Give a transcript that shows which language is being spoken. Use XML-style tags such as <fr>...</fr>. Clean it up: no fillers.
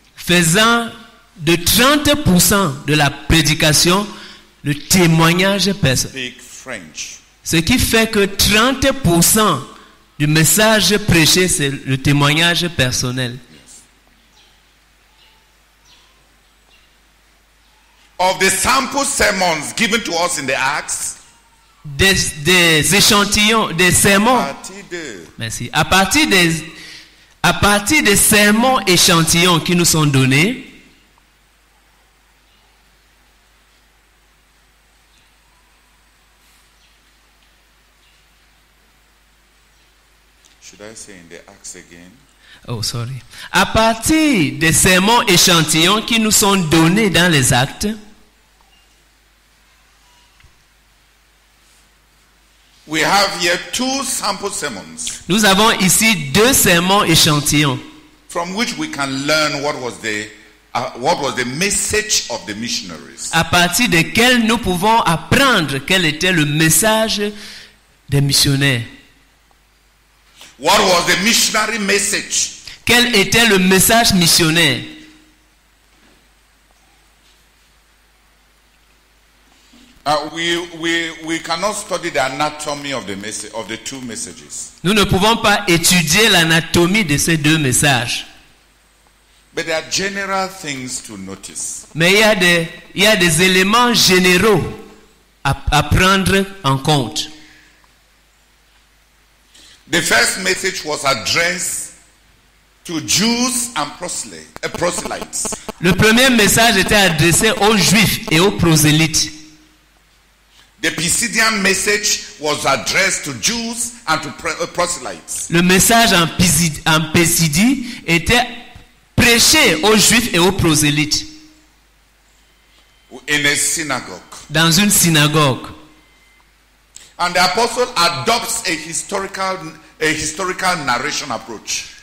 <fr>Faisant de 30% de la prédication le témoignage personnel.</fr> <en>Speak French.</en> <fr>Ce qui fait que 30% du message prêché, c'est le témoignage personnel.</fr> <en>Of the sample sermons given to us in the Acts,</en> <fr>des échantillons, des sermons. Merci. À partir des sermons échantillons qui nous sont donnés,</fr> <en>should I say in the Acts again? Oh, sorry.</en> <fr>À partir des sermons échantillons qui nous sont donnés dans les Actes.</fr> <en>We have here two sample sermons.</en> <fr>Nous avons ici deux sermons échantillons.</fr> <en>From which we can learn what was the message of the missionaries.</en> <fr>À partir desquels nous pouvons apprendre quel était le message des missionnaires.</fr> <en>What was the missionary message?</en> <fr>Quel était le message missionnaire?</fr> <en>We cannot study the anatomy of the two messages.</en> <fr>Nous ne pouvons pas étudier l'anatomie de ces deux messages.</fr> <en>But there are general things to notice.</en> <fr>Mais il y a des éléments généraux à prendre en compte.</fr> <en>The first message was addressed to Jews and proselytes.</en> <fr>Le premier message était adressé aux Juifs et aux prosélytes.</fr> <en>The Pisidian message was addressed to Jews and to proselytes.</en> <fr>Le message en Pisidie était prêché aux Juifs et aux prosélytes.</fr> <en>In a synagogue.</en> <fr>Dans une synagogue.</fr> <en>And the apostle adopts a historical narration approach.</en>